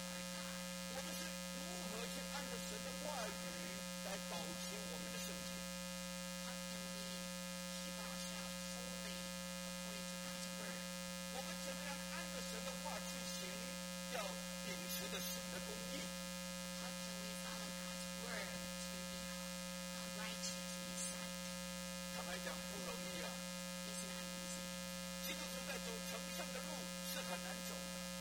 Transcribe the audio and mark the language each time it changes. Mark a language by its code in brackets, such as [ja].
[zh] 去按着神的话语来保持我们的圣洁。 [en] How can we keep ourselves holy according to God's word? [zh] 我们怎么样按着神的话去行，要秉持着神的公义。 [en] How can we follow God's word to be righteous in sight? [zh] 坦白讲不容易啊。 [en] It's not easy. [zh] 基督徒在走成圣的路是很难走的。